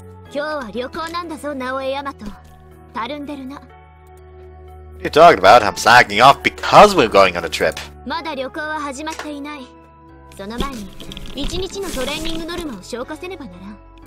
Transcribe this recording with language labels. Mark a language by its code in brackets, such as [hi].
[ja] 今日は旅行なんだぞ、ナオエヤマト。たるんでるな。 [en] What are you talking about? I'm slacking off because we're going on a trip. [ja] まだ旅行は始まっていない。その前に、一日のトレーニングノルマを消化せねばならん。